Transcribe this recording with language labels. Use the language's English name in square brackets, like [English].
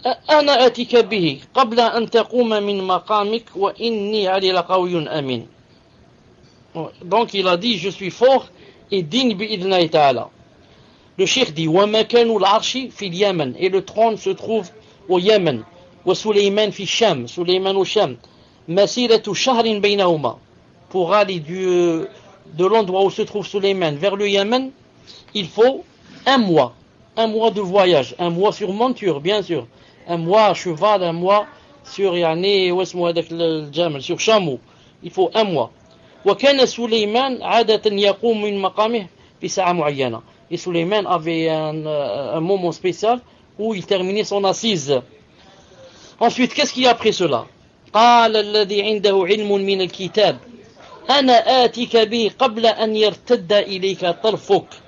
[Arabic] أنا أتيك به قبل أن تقوم من مقامك وإني علي لقوي أمين. [French] Donc il a dit: je suis fort et digne [Arabic] بإذن الله تعالى. [French] Le cheikh dit: [Arabic] ومكان العرش في اليمن. [French] Et le trône se trouve au Yémen. [Arabic] وسليمان في الشام. سليمان والشام. مسيرة شهر بينهما. [French] Pour aller de l'endroit où se trouve Suleyman vers le Yémen, il faut un mois. Un mois de voyage. Un mois sur monture, bien sûr. Un mois à cheval, un mois sur yani, où est-ce moi avec le jamel, sur chameau. Il faut un mois. [Arabic] وكان سليمان عادة يقوم من مقامه في ساعة معينة. [French] Et Suleyman avait un moment spécial où il terminait son assise. Ensuite, qu'est-ce qu'il y a après cela? [Arabic] قال الذي عنده علم من الكتاب أنا آتيك به قبل أن يرتد إليك طرفك.